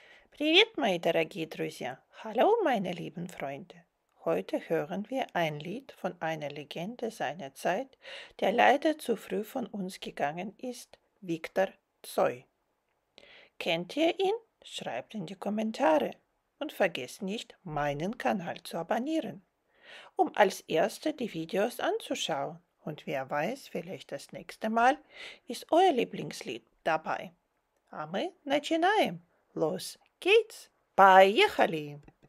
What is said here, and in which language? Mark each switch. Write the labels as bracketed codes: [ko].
[ru] Привет, мои дорогие друзья! [de] Hallo, meine lieben Freunde! Heute hören wir ein Lied von einer Legende seiner Zeit, der leider zu früh von uns gegangen ist, Viktor Цой. Kennt ihr ihn? Schreibt in die Kommentare. Und vergesst nicht, meinen Kanal zu abonnieren, um als Erste die Videos anzuschauen. Und wer weiß, vielleicht das nächste Mal ist euer Lieblingslied dabei. [ru] А мы начинаем! [de] Los! [en] Kids, [ru] поехали!